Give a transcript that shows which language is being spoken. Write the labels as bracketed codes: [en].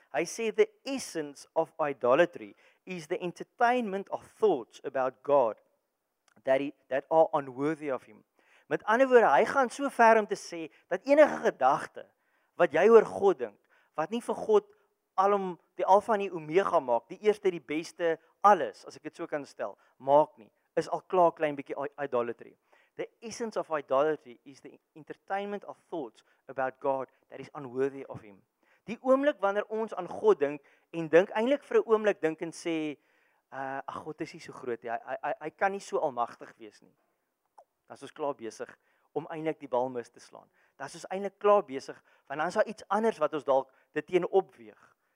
[af] Hy sê, [en] the essence of idolatry is the entertainment of thoughts about God that are unworthy of him. [af] Met ander woorde, hy gaan so ver om te sê dat enige gedagte wat jy oor God dink, wat nie vir God alom die alfa en die omega maak, die eerste, die beste, alles, as ek dit so kan stel, maak nie, is al klaar klein bietjie idolatry. [en] The essence of idolatry is the entertainment of thoughts about God that is unworthy of him. [af] Die oomblik wanneer ons aan God dink en dink eintlik vir 'n oomblik dink en sê God is nie so groot nie. Hy kan nie so almagtig wees nie. Dan's ons klaar besig om eintlik die bal mis te slaan. Dan's ons eintlik klaar besig want dan is daar iets anders wat ons dalk dit teen opweeg.